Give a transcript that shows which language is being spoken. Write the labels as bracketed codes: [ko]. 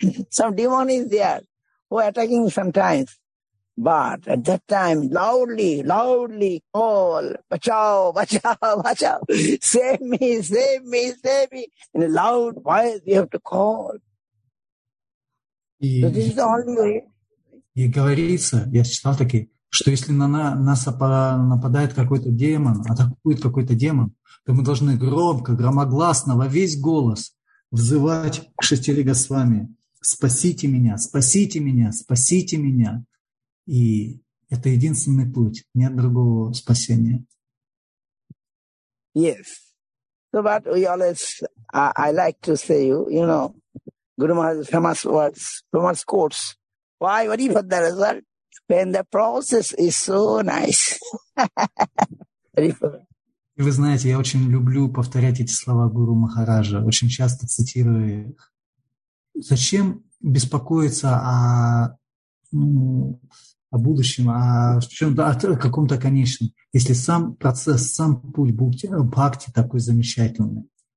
[en] Some demon is there who are attacking sometimes. But at that time, loudly, loudly call, [hi] bachao, bachao, bachao, [en] save me, save me, save me. In a loud voice, you have to call. [ru] И, [en] so this is the only way. [ru] И говорится, я читал таки, что если нас нападает какой-то демон, атакует какой-то демон, то мы должны громко, громогласно, во весь голос взывать к шестерым Госвами. Спасите меня, спасите меня, спасите меня. И это единственный путь, нет другого спасения. [en] Yes. So, but we always, I like to say you, you know, Guru Maharaj's famous words, famous quotes. Why worry for the result when the process is so nice? [ru] И вы знаете, я очень люблю повторять эти слова Гуру Махараджа, очень часто цитирую их. Зачем беспокоиться о, ну, о будущем, о чем-то, о каком-то конечном, если сам процесс, сам путь бхакти такой замечательный.